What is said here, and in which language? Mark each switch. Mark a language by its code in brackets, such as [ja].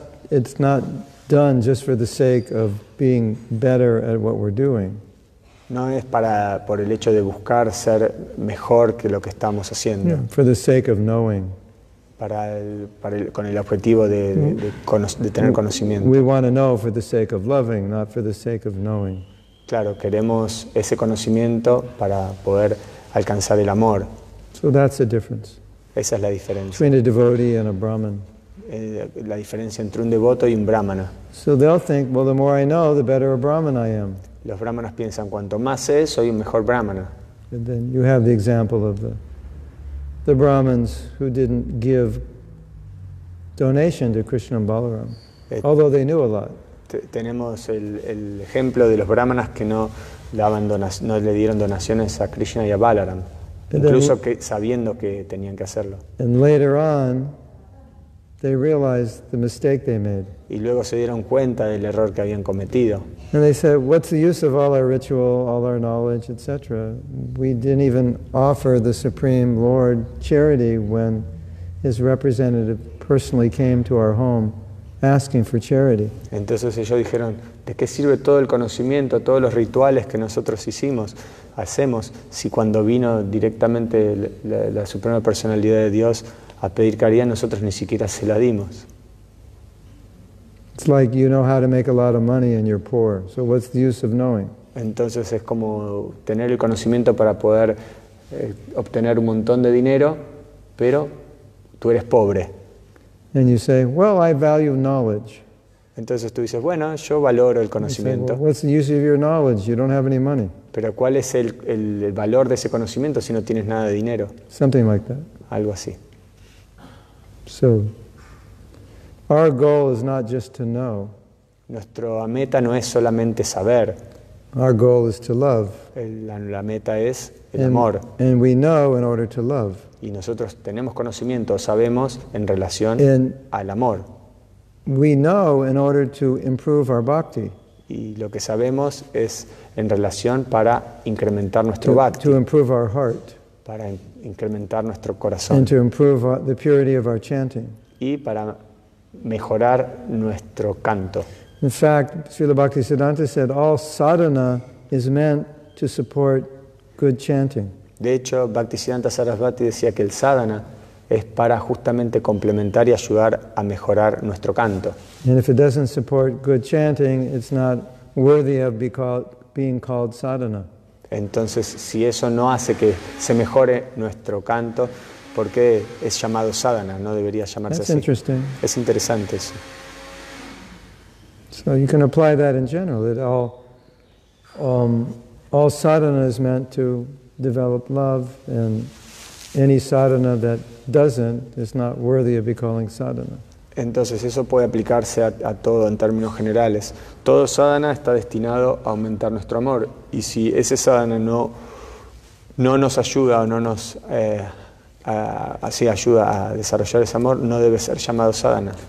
[en] It's not done just for the sake of being better at what we're doing. [es] No es para por el hecho de buscar ser mejor que lo que estamos haciendo. [en] Yeah, for the sake of knowing. [es] Con el objetivo de tener conocimiento. [en] We want to know for the sake of loving, not for the sake of knowing. [es] Claro, queremos ese conocimiento para poder alcanzar el amor. [en] So that's the difference. [es] Esa es la diferencia. [en] Between a devotee and a brahman. [es] La diferencia entre un devoto y un brahmana. [en] So they'll think, well, the more I know, the better a brahman I am. [es] Los brahmanas piensan, cuanto más sé, soy un mejor brahmana. [en] And then you have the example of the brahmins who didn't give donation to Krishna and Balaram, although they knew a lot. [es] Tenemos el ejemplo de los brahmanas que no le dieron donaciones a Krishna y a Balaram, incluso que sabiendo que tenían que hacerlo. [en] And later on, they realized the mistake they made. [es] Y luego se dieron cuenta del error que habían cometido. [en] And they said, "What's the use of all our ritual, all our knowledge, etc.? We didn't even offer the Supreme Lord charity when his representative personally came to our home asking for charity." [es] Entonces ellos dijeron, "¿De qué sirve todo el conocimiento, todos los rituales que nosotros hacemos, si cuando vino directamente la Suprema Personalidad de Dios a pedir caridad, nosotros ni siquiera se la dimos?" [en] It's like you know how to make a lot of money and you're poor. So what's the use of knowing? [es] Entonces es como tener el conocimiento para poder obtener un montón de dinero, pero tú eres pobre. [en] And you say, "Well, I value knowledge." [es] Entonces tú dices, "Bueno, yo valoro el conocimiento." [en] You say, "Well, what's the use of your knowledge? You don't have any money." [es] Pero ¿cuál es el valor de ese conocimiento si no tienes nada de dinero? [en] Something like that. [es] Algo así. [en] So our goal is not just to know. [es] Nuestra meta no es solamente saber. [en] Our goal is to love. [es] La meta es el amor. [en] And we know in order to love. [es] Y nosotros tenemos conocimiento, sabemos en relación al amor. [en] We know in order to improve our bhakti. [es] Y lo que sabemos es en relación para incrementar nuestro bhakti. [en] To improve our heart. [es] Para incrementar nuestro corazón. [en] And to improve the purity of our chanting. [es] Y para mejorar nuestro canto. [en] In fact, Srila Bhaktisiddhanta said all sadhana is meant to support good chanting. [es] De hecho, Bhaktisiddhanta Sarasvati decía que el sadhana es para justamente complementar y ayudar a mejorar nuestro canto. [en] And if it doesn't support good chanting, it's not worthy of being called sadhana. [es] Entonces, si eso no hace que se mejore nuestro canto, ¿por qué es llamado sadhana? No debería llamarse [en] That's [es] así. [en] Interesting. [es] Es interesante eso. [en] So you can apply that in general, that all sadhana is meant to develop love, and any sadhana that doesn't is not worthy of being called sadhana. [es] Entonces eso puede aplicarse a todo en términos generales. Todo sadhana está destinado a aumentar nuestro amor, y si ese sadhana no nos ayuda o no nos así ayuda a desarrollar ese amor, no debe ser llamado sadhana.